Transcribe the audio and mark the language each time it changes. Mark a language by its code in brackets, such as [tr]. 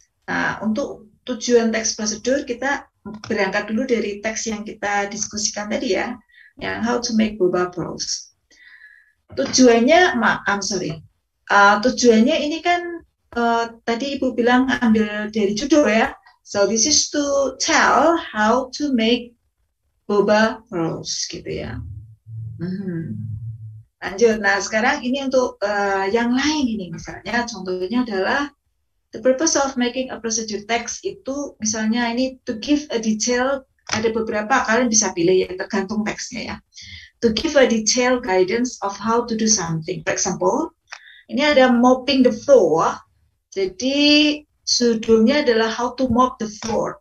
[id] Nah, untuk tujuan teks prosedur kita berangkat dulu dari teks yang kita diskusikan tadi ya, yang [en] how to make boba pearls. [id] Tujuannya, tujuannya ini kan tadi ibu bilang ambil dari judul ya. [en] So this is to tell how to make boba pearls [id] gitu ya. Lanjut. Nah sekarang ini untuk yang lain ini misalnya. Contohnya adalah [en] the purpose of making a procedure text [id] itu misalnya ini [en] to give a detail. [id] Ada beberapa kalian bisa pilih ya tergantung teksnya ya. [en] To give a detail guidance of how to do something. For example, [id] ini ada [en] mopping the floor. [id] Jadi judulnya adalah [en] How to Mop the Floor.